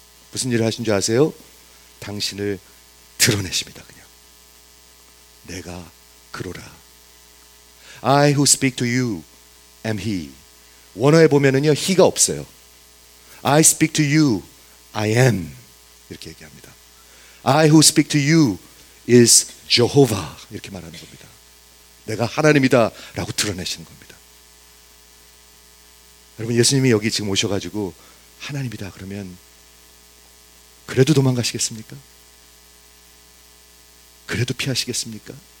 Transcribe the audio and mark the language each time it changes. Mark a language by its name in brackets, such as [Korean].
[Korean] 무슨 일을 하신 줄 아세요? 당신을 드러내십니다. 그냥 내가 그로라. [English] I who speak to you am he. [Korean] 원어에 보면은요 he가 없어요. [English] I speak to you, I am. [Korean] 이렇게 얘기합니다. [English] I who speak to you is Jehovah. [Korean] 이렇게 말하는 겁니다. 내가 하나님이다 라고 드러내시는 겁니다. 여러분 예수님이 여기 지금 오셔가지고 하나님이다 그러면 그래도 도망가시겠습니까? 그래도 피하시겠습니까?